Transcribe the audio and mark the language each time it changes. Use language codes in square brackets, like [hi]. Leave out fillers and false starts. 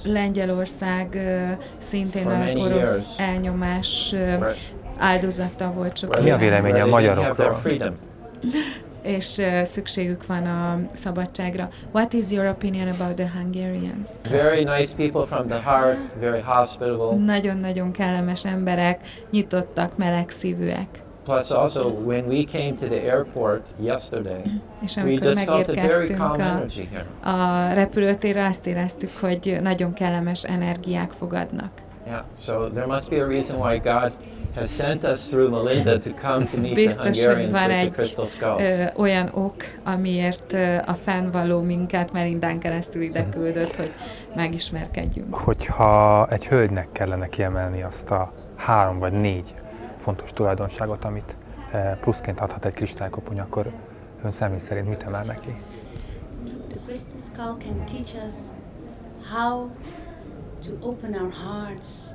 [hu] Lengyelország szintén az orosz elnyomás áldozata volt sokan. Mi a véleménye a magyarokról? És szükségük van a szabadságra. [en] What is your opinion about the Hungarians? Very nice people from the heart, very hospitable. [hu] Nagyon-nagyon kellemes emberek, nyitottak, melegszívűek. [en] Plus also when we came to the airport yesterday, we just felt a very calm energy here. [hu] A repülőtérre azt éreztük, hogy nagyon kellemes energiák fogadnak. [en] Yeah, so there must be a reason why God has sent us through Melinda to come to meet [hu] biztos, [en] the Hungarians with the crystal skulls. [hu] Olyan ok, amiért a fennvaló minket Melindán keresztül ide küldött, hogy megismerkedjünk. Hogyha egy hölgynek kellene kiemelni azt a három vagy négy fontos tulajdonságot, amit pluszként adhat egy kristálykoponya, akkor ön személy szerint mit emel neki? [en] The crystal skull can teach us how to open our hearts.